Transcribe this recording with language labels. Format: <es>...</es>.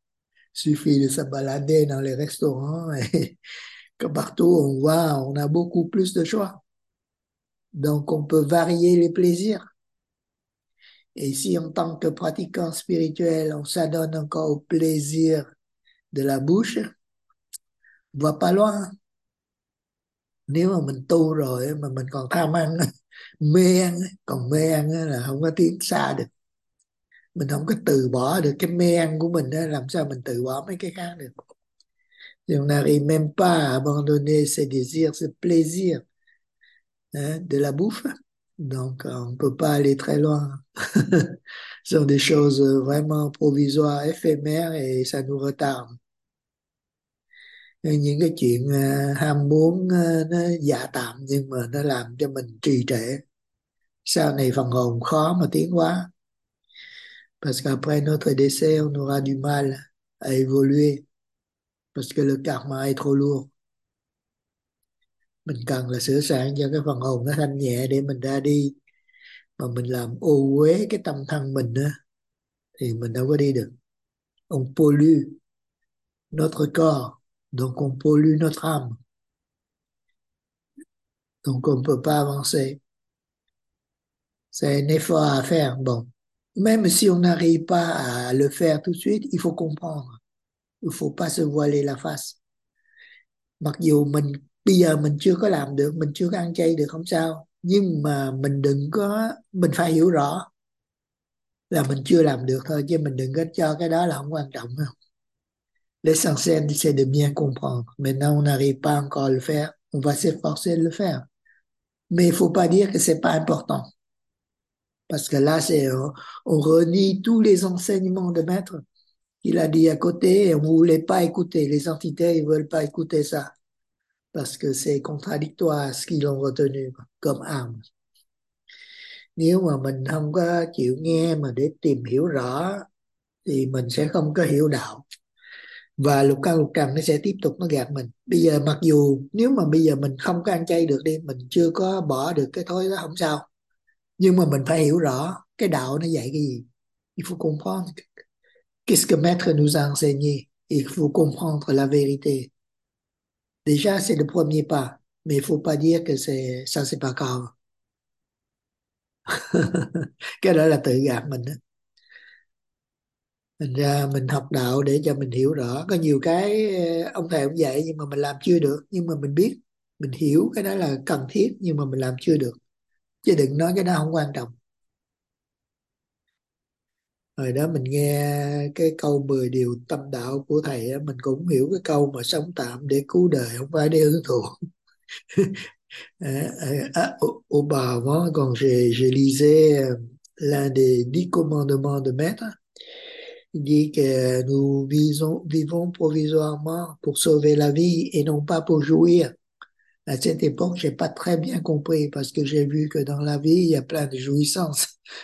<fr>Il suffit de se balader dans les restaurants et que partout on voit, on a beaucoup plus de choix. Donc, on peut varier les plaisirs. Et si, en tant que pratiquant spirituel, on s'adonne encore au plaisir de la bouche, on va pas loin.</fr> <vi>Nếu mà mình tu rồi mà mình còn tham ăn, mê ăn, còn mê ăn là không có tiến xa được. Mình không có từ bỏ được cái mê ăn của mình, làm sao mình từ bỏ mấy cái khác được.</vi> <fr>Et on n'arrive même pas à abandonner ses désirs, ses plaisirs. De la bouffe, donc on ne peut pas aller très loin. Ce sont des choses vraiment provisoires, éphémères et ça nous retarde.</fr> <vi>Et những cái chuyện ham muốn nó giả tạm nhưng mà nó làm cho mình trì trệ. Sau này phần hồn khó mà tiến hóa.</vi> <fr>Parce qu'après notre décès, on aura du mal à évoluer parce que le karma est trop lourd.</fr> <vi>Mình cần là sửa soạn cho cái phần hồn nó thanh nhẹ để mình ra đi, mà mình làm ô uế cái tâm thân mình á thì mình đâu có đi được.</vi> <fr>On pollue notre corps, donc on pollue notre donc on peut pas avancer. C'est un effort à faire. Bon, même si on n'arrive pas à le faire tout de suite, il faut comprendre, il faut pas se voiler la face.</fr> <vi>Mặc dù mình bây giờ mình chưa có làm được, mình chưa có ăn chay được, không sao, nhưng mà mình đừng có, mình phải hiểu rõ là mình chưa làm được thôi, chứ mình đừng có cho cái đó là không quan trọng.</vi> <fr>Không, l'essentiel c'est de bien comprendre. Maintenant on n'arrive pas encore à le faire, on va s'efforcer de le faire, mais il faut pas dire que c'est pas important, parce que là c'est on renie tous les enseignements de maître qu'il a dit à côté et on voulait pas écouter. Les entités, ils veulent pas écouter ça parce que c'est contradictoire à ce qu'ils ont retenu comme âme.</fr> <vi>Nếu mà mình không có chịu nghe mà để tìm hiểu rõ thì mình sẽ không có hiểu đạo. Và lục căn lục trần nó sẽ tiếp tục nó gạt mình. Bây giờ mặc dù nếu mà bây giờ mình không có ăn chay được đi, mình chưa có bỏ được cái thói đó, không sao. Nhưng mà mình phải hiểu rõ cái đạo nó dạy cái gì.</vi> <fr>Il faut comprendre. Qu'est-ce que maître nous a enseigné? Il faut comprendre la vérité. Déjà, c'est le premier pas, mais il faut pas dire que c'est ça, c'est pas grave.</fr> <vi>Cái đó là tự gạt mình đó. Thành ra mình học đạo để cho mình hiểu rõ. Có nhiều cái ông thầy cũng dạy nhưng mà mình làm chưa được, nhưng mà mình biết. mình hiểu cái đó là cần thiết nhưng mà mình làm chưa được, chứ đừng nói cái đó không quan trọng. Hồi đó mình nghe cái câu 10 điều tâm đạo của thầy á, mình cũng hiểu cái câu mà sống tạm để cứu đời không phải để hưởng thụ.</vi> <fr>Auparavant, quand je lisais l'un des 10 commandements de maître, il dit que nous vivons provisoirement pour sauver la vie et non pas pour jouir. À cette époque, j'ai pas très bien compris parce que j'ai vu que dans la vie, il y a plein de jouissances.</fr>